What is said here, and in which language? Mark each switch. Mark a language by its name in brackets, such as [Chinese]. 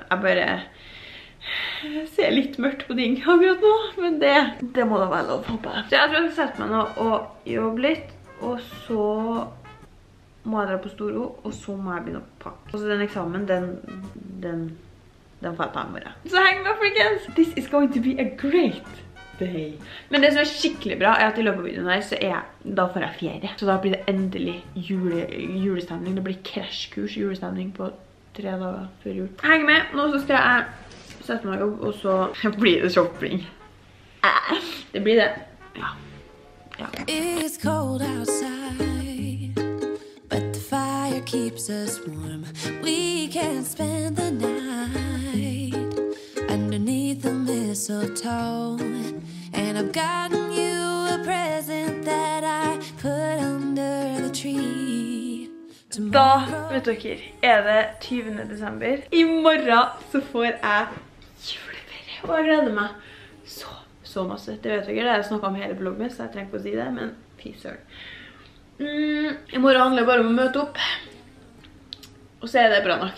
[Norwegian] Jeg bare ser litt mørkt på ting akkurat nå. Men det må da være lov, håper jeg. Så jeg tror jeg skal sette meg nå og jobbe litt. Og så må jeg dra på Storo. Og så må jeg begynne å pakke. Og så den eksamen, den får jeg ta i morgen. Så heng med, folkens! [English] This is going to be a great day. [Norwegian] Men det som er skikkelig bra er at i løpet av videoen her, så er jeg, da får jeg ferie. Så da blir det endelig julestemning. Det blir krasjkurs julestemning på 3 dager før jul. Heng med, nå så skal jeg sette meg opp, og så blir det shopping. Det blir det. Ja. Ja. [English] It's cold outside, but the fire keeps us warm. We can spend the night underneath the mistletoe. And I've gotten you a present that I put under the tree. [Norwegian] Da, vet dere, er det 20. desember. I morgen så får jeg juleferie. Og jeg gleder meg så masse. Det vet dere, det har jeg snakket om hele bloggen min, så jeg trenger på å si det, men [English] peace out. [Norwegian] I morgen handler det bare om å møte opp. Og så er det bra nok.